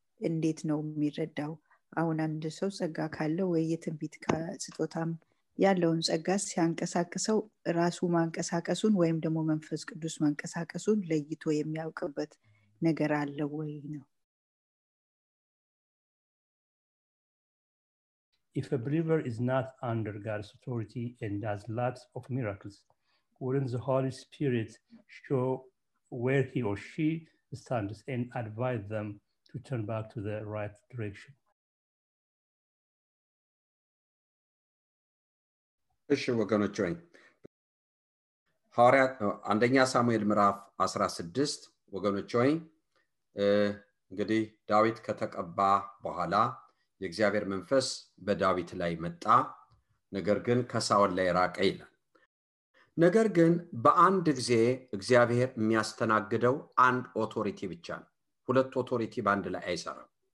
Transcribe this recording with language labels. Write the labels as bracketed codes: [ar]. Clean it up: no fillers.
[am] እንዴት ነው የሚረዳው? አሁን አንድ ሰው ጸጋ ካለው ወይ የትንቢት ስጦታም ያለውን ጸጋ ሲያንቀሳቀሰው ራሱ ማንቀሳቀሱን ወይም ደግሞ መንፈስ ቅዱስ ማንቀሳቀሱን ለይቶ የሚያውቀበት ነገር አለ ወይ ነው? [en] If a believer is not under God's authority and does lots of miracles, wouldn't the Holy Spirit show where he or she stands and advise them to turn back to the right direction? [am] እሺ ወገኖች ሆይ ሐዋርያት አንደኛ ሳሙኤል ምዕራፍ 16 ወገኖች ሆይ እንግዲህ ዳዊት ከተቀባ በኋላ የእግዚአብሔር መንፈስ በዳዊት ላይ መጣ ነገር ግን ከሳውል ላይ ራቀ ይላል። ነገር ግን በአንድ ጊዜ እግዚአብሔር የሚያስተናግደው አንድ ኦቶሪቲ ብቻ ነው። ሁለት ኦቶሪቲ ባንድ ላይ አይሰራም።